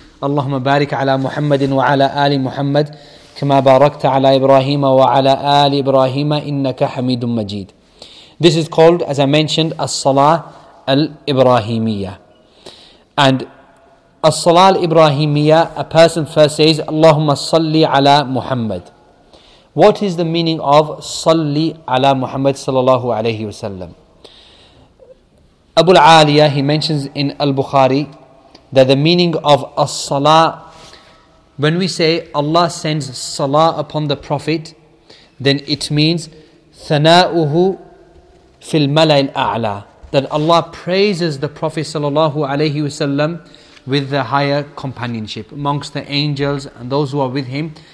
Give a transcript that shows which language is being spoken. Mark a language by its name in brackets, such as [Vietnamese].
[Arabic] اللهم بارك على محمد وعلى آل محمد كما باركت على إبراهيم وعلى آل إبراهيم إنك حميد مجيد. [English] This is called, as I mentioned, الصلاة الإبراهيمية. And الصلاة الإبراهيمية, a person first says [Arabic] اللهم صلي على محمد. [English] What is the meaning of [Arabic] صلي على محمد صلى الله عليه وسلم؟ [English] أبو العالية, he mentions in البخاري that the meaning of as-salah, when we say Allah sends salah upon the Prophet, then it means [Arabic] thana'uhu fil mala'il a'la, [English] that Allah praises the Prophet sallallahu alayhi wasallam with the higher companionship amongst the angels and those who are with him.